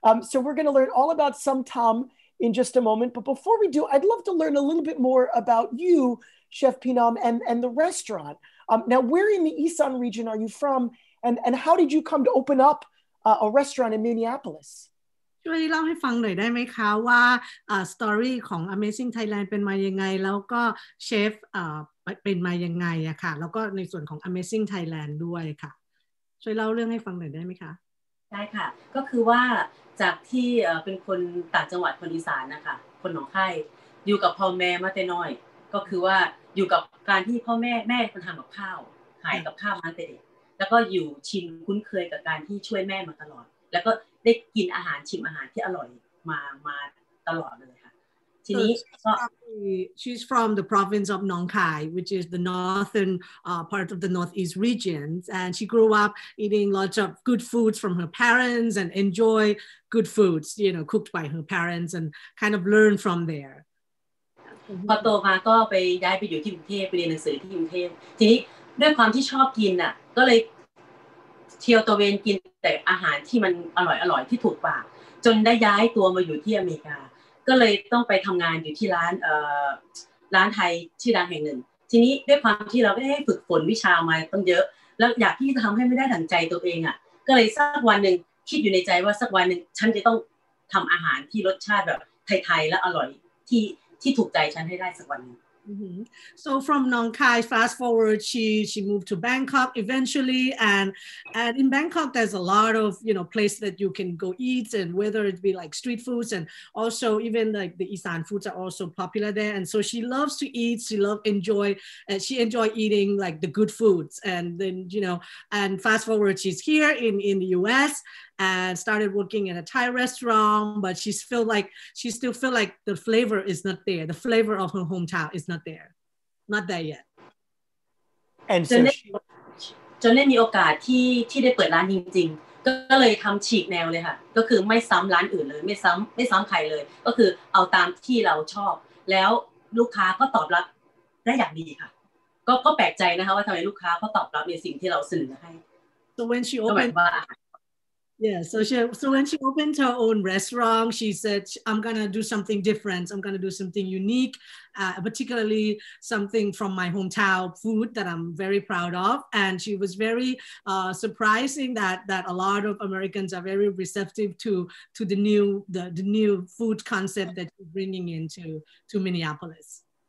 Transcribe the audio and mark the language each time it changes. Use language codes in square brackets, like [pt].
[en] So we're going to learn all about Som Tam in just a moment. But before we do, I'd love to learn a little bit more about you, Chef Pinam, and the restaurant. Now, where in the Isan region are you from? And how did you come to open up a restaurant in Minneapolis? [th] ช่วยเล่าให้ฟังหน่อยได้ไหมคะว่าสตอรี่ของ Amazing Thailand เป็นมายังไงแล้วก็เชฟเป็นมายังไงอะค่ะแล้วก็ในส่วนของ Amazing Thailand ด้วยค่ะช่วยเล่าเรื่องให้ฟังหน่อยได้ไหมคะ ได้ค่ะก็คือว่าจากที่เป็นคนต่างจังหวัดคนอีสานนะคะคนหนองคายอยู่กับพ่อแม่มาแต่น้อยก็คือว่าอยู่กับการที่พ่อแม่คนทำกับข้าวขายกับข้าวมาแต่เด็กแล้วก็อยู่ชินคุ้นเคยกับการที่ช่วยแม่มาตลอดแล้วก็ได้กินอาหารชิมอาหารที่อร่อยมาตลอดเลยค่ะ ทีนี้ก็ [en] she's from the province of Nong Khai which is the northern part of the northeast region and she grew up eating lots of good foods from her parents and enjoy good foods you know cooked by her parents and kind of learn from there [th] พอโตมาก็ไปย้ายไปอยู่ที่กรุงเทพไปเรียนหนังสือที่กรุงเทพทีนี้ด้วยความที่ชอบกินน่ะก็เลยเที่ยวตะเวนกินแต่อาหารที่มันอร่อยๆที่ถูกปากจนได้ย้ายตัวมาอยู่ที่อเมริกาก็เลยต้องไปทำงานอยู่ที่ร้านไทยชื่อดังแห่งหนึ่งทีนี้ด้วยความที่เราไม่ได้ฝึกฝนวิชามาต้องเยอะแล้วอยากที่จะทำให้ไม่ได้ถังใจตัวเองอ่ะก็เลยสักวันหนึ่งคิดอยู่ในใจว่าสักวันหนึ่งฉันจะต้องทำอาหารที่รสชาติแบบไทยๆและอร่อยที่ถูกใจฉันให้ได้สักวันหนึ่ง [en] So from Nong Khai, fast forward, she moved to Bangkok eventually, and in Bangkok, there's a lot of you know places that you can go eat, and whether it be like street foods, and also even like the Isan foods are also popular there. And so she loves to eat, she enjoy eating like the good foods, and then you know, and fast forward, she's here in the U.S. and started working in a Thai restaurant, but she still feel like the flavor is not there. The flavor of her hometown is not there. Not there yet. And so [th] จนได้มีโอกาสที่ได้เปิดร้านจริงๆก็เลยทำฉีกแนวเลยค่ะก็คือไม่ซ้ำร้านอื่นเลยไม่ซ้ำใครเลยก็คือเอาตามที่เราชอบแล้วลูกค้าก็ตอบรับได้อย่างดีค่ะก็แปลกใจนะคะว่าทำไมลูกค้าเขาตอบรับในสิ่งที่เราเสนอให้ [en] So when she openedYeah, so when she opened her own restaurant, she said, I'm going to do something different. I'm going to do something unique, particularly something from my hometown food that I'm very proud of. And she was very surprising that a lot of Americans are very receptive to the new food concept that she's bringing into Minneapolis.